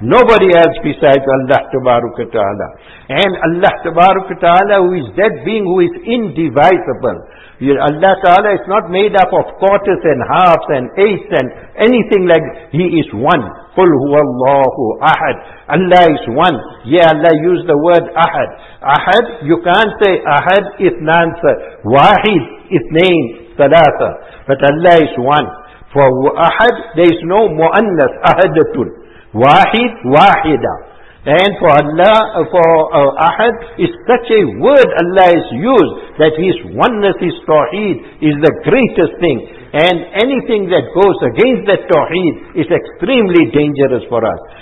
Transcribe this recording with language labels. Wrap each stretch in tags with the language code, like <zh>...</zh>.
<en>Nobody else besides Allah Tabaraka Ta'ala. And Allah Tabaraka Ta'ala, who is that being who is indivisible. Allah Ta'ala is not made up of quarters and halves and eighths and anything like that. He is one.</en> <ar>قُلْ هُوَ اللَّهُ أَحَد.</ar> <en>Allah is one. Yeah, Allah used the word أَحَد.</en> <ar>أَحَد,</ar> <en>you can't say</en> <ar>أَحَد إِثْنَان وَاحِد إِثْنَيْن ثَلَاثَ.</ar> <en>But Allah is one. For أَحَد, there is no</en> <ar>مُؤَنَّث أَحَدَتُن. وَاحِد, وَاحِدَة.</ar> <en>And for Allah, Ahad, is such a word Allah has used, that His oneness, His Tawheed, is the greatest thing. And anything that goes against that Tawheed is extremely dangerous for us.</en>